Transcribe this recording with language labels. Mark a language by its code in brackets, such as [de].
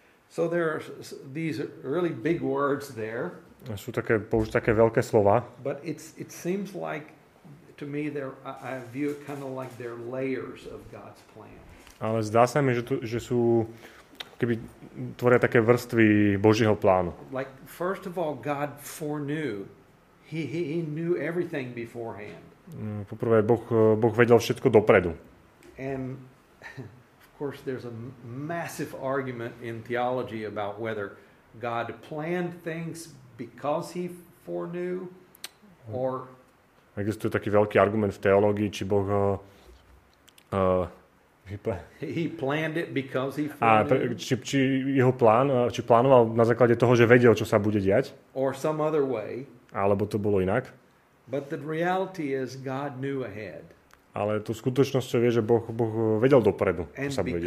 [en] So there are these really big words there. [sk] Sú také veľké slova. [en] But it seems like to me there I view it kind of like they're layers of God's plan. [sk] Ale zdá sa mi, že sú keby tvoria také vrstvy Božieho plánu. [en] Like first of all God foreknew. He knew everything beforehand. [sk] Poprvé Boh vedel všetko dopredu. [en] And of course there's a massive argument in theology about whether God planned things because he foreknew or [sk] existuje taký veľký argument v teológii, či Boh [en] he planned it because he foreknew. [sk] Či jeho plán, či plánoval na základe toho, že vedel, čo sa bude diať, [en] or some other way, [sk] alebo to bolo inak. [en] But the reality is God knew ahead. [sk] Ale tú skutočnosť, čo vie, že Boh vedel dopredu, čo sa bude